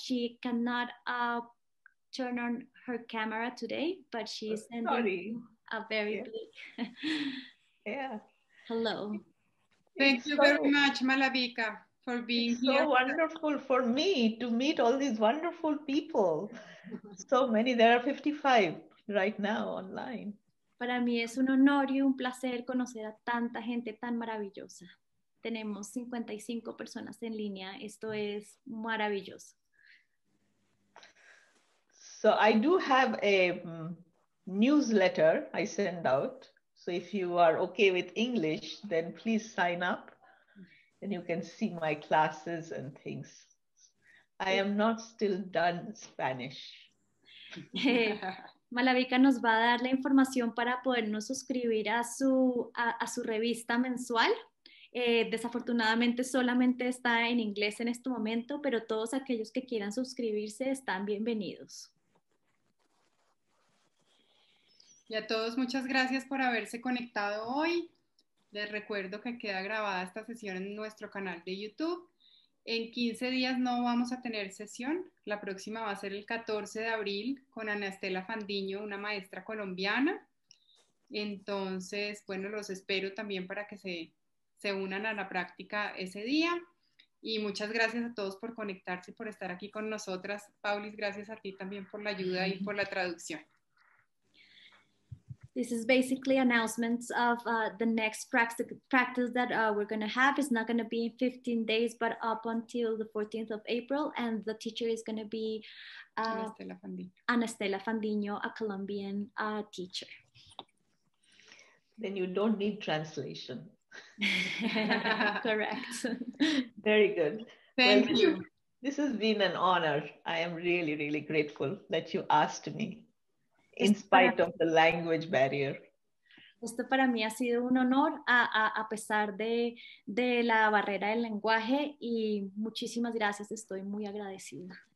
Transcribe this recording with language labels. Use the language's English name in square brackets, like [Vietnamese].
[English] She cannot turn on her camera today, but she sends a very big hello. Thank you very much, Malabika, for being here. It's so wonderful for me to meet all these wonderful people. So many, there are 55 right now online. [Spanish] Para mí es un honor y un placer conocer a tanta gente tan maravillosa. Tenemos 55 personas en línea. Esto es maravilloso. [English] So I do have a newsletter I send out. So if you are okay with English, then please sign up and you can see my classes and things. I am not still done Spanish. [Spanish] Malabika nos va a dar la información para podernos suscribir a su revista mensual. Desafortunadamente solamente está en inglés en este momento, pero todos aquellos que quieran suscribirse están bienvenidos. Y a todos, muchas gracias por haberse conectado hoy. Les recuerdo que queda grabada esta sesión en nuestro canal de YouTube. En 15 días no vamos a tener sesión. La próxima va a ser el 14 de abril con Ana Estela Fandiño, una maestra colombiana. Entonces, bueno, los espero también para que se unan a la práctica ese día. Y muchas gracias a todos por conectarse y por estar aquí con nosotras. Paulis, gracias a ti también por la ayuda y por la traducción. [English] This is basically announcements of the next practice that we're going to have. It's not going to be in 15 days, but up until the 14th of April. And the teacher is going to be Ana Estela Fandiño, a Colombian teacher. Then you don't need translation. Correct. Very good. Thank you. This has been an honor. I am really, really grateful that you asked me. In spite of the language barrier. [Spanish] Esto para mí ha sido un honor a pesar de la barrera del lenguaje y muchísimas gracias, estoy muy agradecida.